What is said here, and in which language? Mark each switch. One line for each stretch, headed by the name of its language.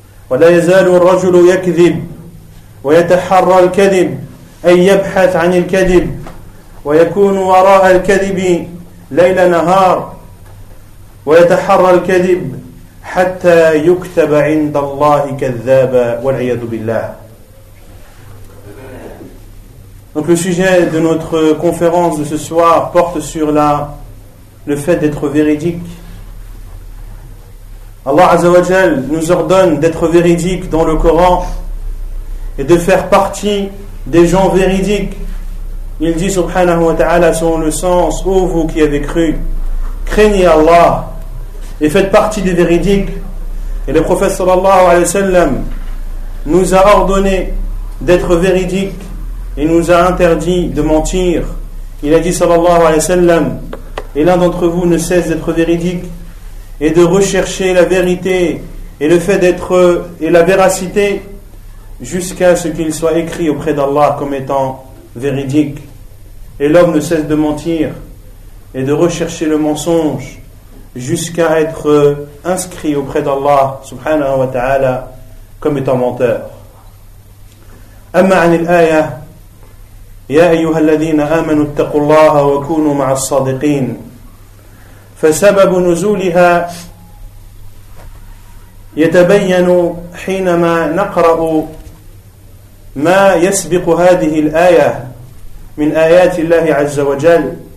Arabic: ولا يزال الرجل يكذب ويتحرى الكذب أي يبحث عن الكذب ويكون وراء الكذب ليل نهار ويتحرى الكذب حتى يكتب عند الله كذابا والعياذ بالله.
French: Donc le sujet de notre conférence de ce soir porte sur le fait d'être véridique. Allah Azza wa Jal nous ordonne d'être véridique dans le Coran et de faire partie des gens véridiques. Il dit subhanahu wa ta'ala selon le sens, ô vous qui avez cru, craignez Allah et faites partie des véridiques. Et le prophète sallallahu alayhi wa sallam nous a ordonné d'être véridique et nous a interdit de mentir. Il a dit sallallahu alayhi wa sallam, et l'un d'entre vous ne cesse d'être véridique et de rechercher la vérité et le fait d'être et la véracité jusqu'à ce qu'il soit écrit auprès d'Allah comme étant véridique. Et l'homme ne cesse de mentir et de rechercher le mensonge jusqu'à être inscrit auprès d'Allah subhanahu wa ta'ala comme étant menteur.
Arabic: Amma anil aya يا أيها الذين آمنوا اتقوا الله وكونوا مع الصادقين. فسبب نزولها يتبين حينما نقرأ ما يسبق هذه الآية من آيات الله عز وجل.